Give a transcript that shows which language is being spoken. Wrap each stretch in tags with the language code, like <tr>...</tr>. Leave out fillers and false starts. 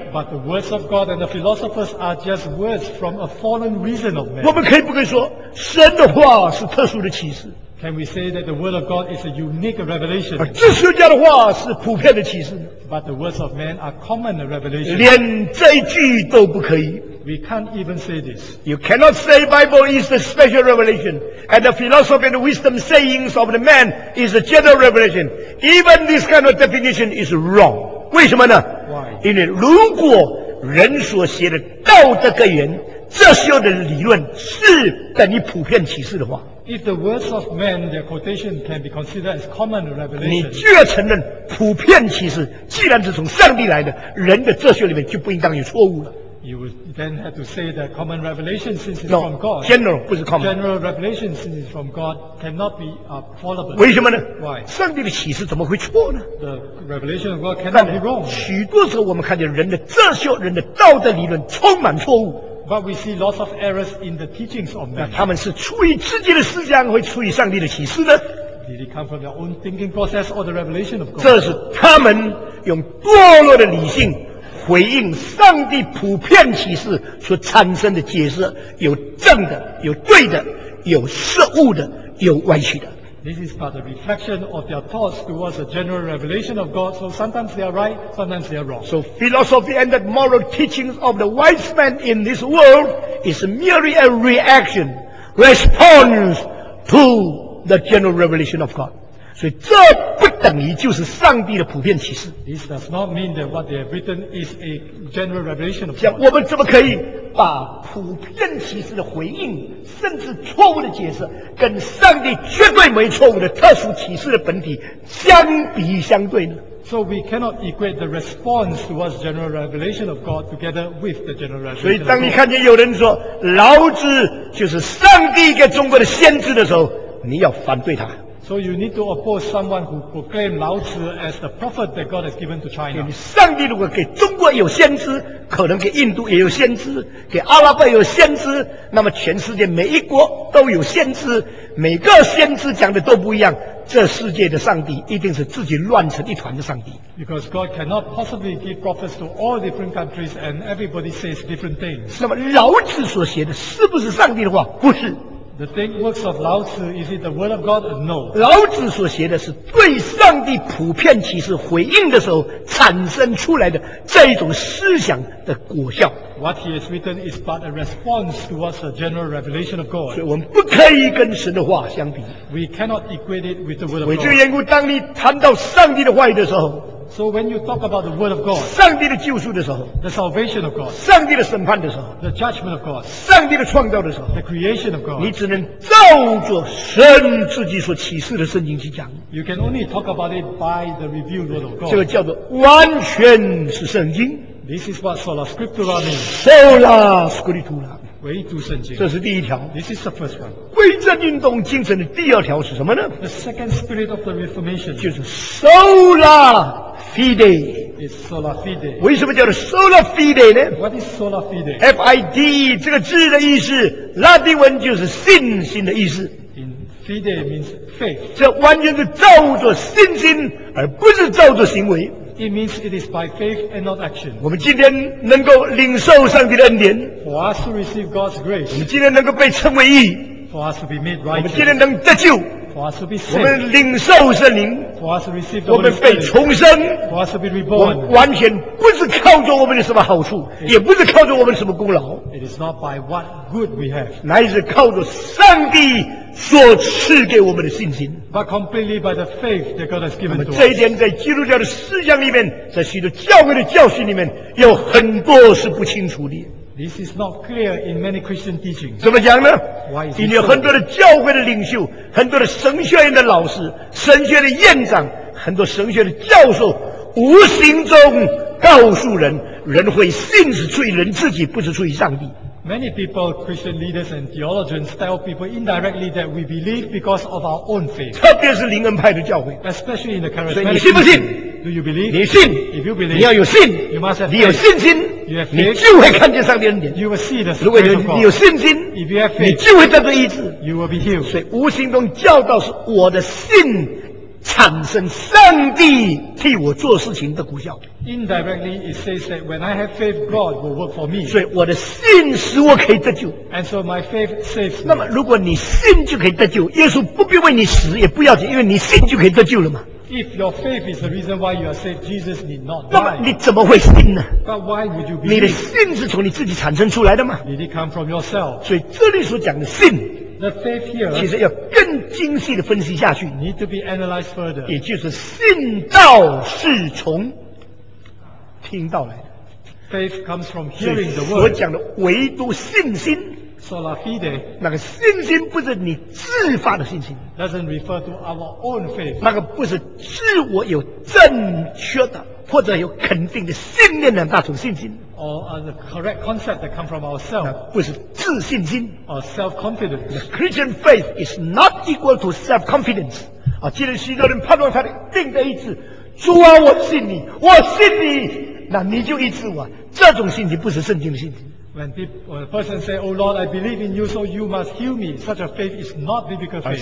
<en>But the words of God and the philosophers are just words from a fallen reason of man.</en> <zh>我们可以不可以说，神的话是特殊的启示？</zh> <en>Can we say that the word of God is a unique revelation?</en> <zh>哲学家的话是普遍的启示。</zh> <en>But the words of man are common revelation.</en> <zh>连这一句都不可以。</zh> <en>We can't even say this. You cannot say Bible is the special revelation, and the philosophy and the wisdom sayings of the man is a general revelation. Even this kind of definition is wrong.</en> <zh>为什么呢</zh> <en>？Why?</en> <zh>因为如果人所写的道德格言、哲学的理论是等于普遍启示的话。</zh> <en>If the words of men, their quotation can be considered as common revelation,</en> <zh>你居然承认普遍启示，既然是从上帝来的，人的哲学里面就不应当有错误了。</zh> <en>You would then have to say that common revelation since it's from God. No, general,</en> <zh>不是</zh> <en>common. General revelation since it's from God cannot be fallible.</en> <zh>为什么呢</zh> <en>？Why?</en> <zh>上帝的启示怎么会错呢</zh> <en>？The revelation of God cannot be wrong.</en> <zh>许多时候我们看见人的哲学、人的道德理论充满错误。</zh> <en>But we see lots of errors in the teachings of men.</en> <zh>那他们是出于自己的思想，会出于上帝的启示呢？</zh> <en>Did it come from their own thinking process or the revelation of God?</en> <zh>这是他们用堕落的理性。回应上帝普遍启示所产生的解释，有正的，有对的，有失误的，有歪曲的。</zh> <en>This is but a reflection of their thoughts towards a general revelation of God. So sometimes they are right, sometimes they are wrong. So philosophy and the moral teachings of the wise men in this world is merely a reaction, response to the general revelation of God.</en> <zh>所以这不等于就是上帝的普遍启示。</zh> <en>This does not mean that what they have written is a general revelation of God.</en> <zh>像我们怎么可以把普遍启示的回应，甚至错误的解释，跟上帝绝对没错误的特殊启示的本体相比相对呢？</zh> <en>So we cannot equate the response towards general revelation of God together with the general revelation.</en> <zh>所以当你看见有人说老子就是上帝给中国的先知的时候，你要反对他。</zh> <en>So you need to oppose someone who proclaimed 老子 as the prophet that God has given to China.</en> <zh>上帝如果给中国有先知，可能给印度也有先知，给阿拉伯有先知，那么全世界每一国都有先知，每个先知讲的都不一样。这世界的上帝一定是自己乱成一团的上帝。</zh> <en>Because God cannot possibly give prophets to all different countries and everybody says different things.</en> <zh>那么老子所写的是不是上帝的话？不是。</zh> <en>The thing works of 老子 is it the word of God? No.</en> <zh>老子所写的是对上帝普遍启示回应的时候产生出来的这一种思想的果效。</zh> <en>What he has written is but a response towards a general revelation of God.</en> <zh>所以我们不可以跟神的话相比。</zh> <en>We cannot equate it with the word of God.</en> <zh>为这缘故，当你谈到上帝的话语的时候。</zh> <en>So when you talk about the word of God,</en> <zh>上帝的救赎的时候</zh> <en>，the salvation of God,</en> <zh>上帝的审判的时候</zh> <en>，the judgment of God,</en> <zh>上帝的创造的时候</zh> <en>，the creation of God,</en> <zh>你只能照着神自己所启示的圣经去讲。</zh> <en>You can only talk about it by the revealed word of God.</en> <zh>这个叫做完全是圣经。</zh> <en>This is what sola scriptura means.</en> <la>Sola scriptura.</la> <zh>唯独圣经。这是第一条。</zh> <en>This is the first one.</en> <zh>归正运动精神的第二条是什么呢</zh> <en>？The second spirit of the Reformation.</en> <zh>就是 sola。Fide.</zh> <en>It's sola fide.</en> <zh>为什么叫做 sola fide 呢</zh> <en>？What is sola fide?</en> <zh>F-I-D-E 这个字的意思，拉丁文就是信心的意思。</zh> <en>In fide means faith.</en> <zh>这完全是照着信心，而不是照着行为。</zh> <en>It means it is by faith and not action.</en> <zh>我们今天能够领受上帝的恩典</zh> <en>，For us to receive God's grace.</en> <zh>我们今天能够被称为义</zh> <en>，For us to be made righteous.</en> <zh>我们今天能得救。</zh> <en>For us to be saved,</en> <zh>我们领受圣灵</zh> <en>for us to receive the</en> <zh>Holy Spirit, 我们被重生</zh> <en>for us to be reborn,</en> <zh>我完全不是靠着我们的什么好处</zh> <en>it,</en> <zh>也不是靠着我们的什么功劳</zh> <en>it is not by what good we have,</en> <zh>乃是靠着上帝所赐给我们的信心</zh> <en>but completely by the faith that God has given to us</en> <zh>这一点在基督教的思想里面在许多教会的教训里面有很多是不清楚的</zh> <en>This is not clear in many Christian teachings</en> <zh>怎么讲呢</zh> <en>Why is</en> <zh>因为很多的教会的领袖很多的神学院的老师神学的院长很多神学的教授无形中告诉人人会信是出于人自己不是出于上帝</zh> <en>Many people, Christian leaders and theologians tell people indirectly that we believe because of our own faith</en> <zh>特别是灵恩派的教会</zh> <en>Especially in the charismatic</en> <zh>所以你信不信</zh> <en>Do you believe?</en> <zh>你信</zh> <en>If you believe,</en> <zh>你要有信</zh> <en>you must have</en> <zh>你有信心</zh> <en>You have faith,</en> <zh>你就会看见上帝恩典。</zh> <en>You will see the</en> <zh>如果你有信心</zh> <en>If you have faith,</en> <zh>你就会得到医治。</zh> <en>You will be healed.</en> <zh>所以无形中教导是我的信产生上帝替我做事情的功效。</zh> <en>Indirectly, it says that when I have faith, God will work for me.</en> <zh>所以我的信使我可以得救。</zh> <en>And so my faith saves me.</en> <zh>那么如果你信就可以得救，耶稣不必为你死也不要紧，因为你信就可以得救了嘛。</zh> <en>If your faith is the reason why you are saved, Jesus need not die.</en> <zh>那么你怎么会信呢</zh> <en>？But why would you believe?</en> <zh>你的信是从你自己产生出来的吗</zh> <en>？Did it come from yourself?</en> <zh>所以这里所讲的信</zh> <en>，the faith here，</en> <zh>其实要更精细的分析下去</zh> <en>，need to be analyzed further。</en> <zh>也就是信道是从听到来的</zh> <en>，faith comes from hearing the word。</en> <zh>所讲的唯独信心。</zh> <la>Sola fide,</la> <zh>那个信心不是你自发的信心</zh> <en>doesn't refer to our own faith.</en> <zh>那个不是自我有正确的或者有肯定的信念的那种信心</zh> <en>or the correct concept that come from ourselves.</en> <zh>那不是自信心</zh> <en>or self-confidence. The Christian faith is not equal to self-confidence.</en> <zh>啊，既然许多人盼望他的定的意志，主啊，我信你，我信你，那你就医治我，这种信心不是圣经的信心。</zh> <en>When a person says, Oh Lord, I believe in you, so you must heal me. Such a faith is not biblical faith.</en>